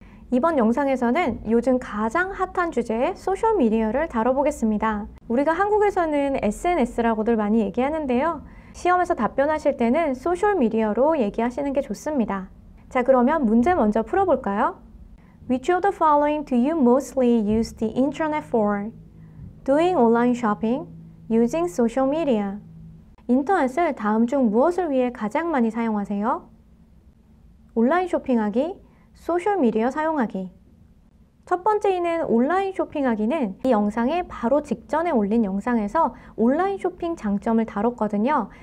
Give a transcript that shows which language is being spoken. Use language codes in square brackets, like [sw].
[ko] 이번 영상에서는 요즘 가장 핫한 주제의 소셜미디어를 다뤄보겠습니다. 우리가 한국에서는 SNS라고들 많이 얘기하는데요. 시험에서 답변하실 때는 소셜미디어로 얘기하시는 게 좋습니다. 자, 그러면 문제 먼저 풀어볼까요? [en] Which of the following do you mostly use the internet for? Doing online shopping, using social media. [ko] 인터넷을 다음 중 무엇을 위해 가장 많이 사용하세요? 온라인 쇼핑하기, 소셜미디어 사용하기. 첫 번째인 온라인 쇼핑하기는 이 영상의 바로 직전에 올린 영상에서 온라인 쇼핑 장점을 다뤘거든요.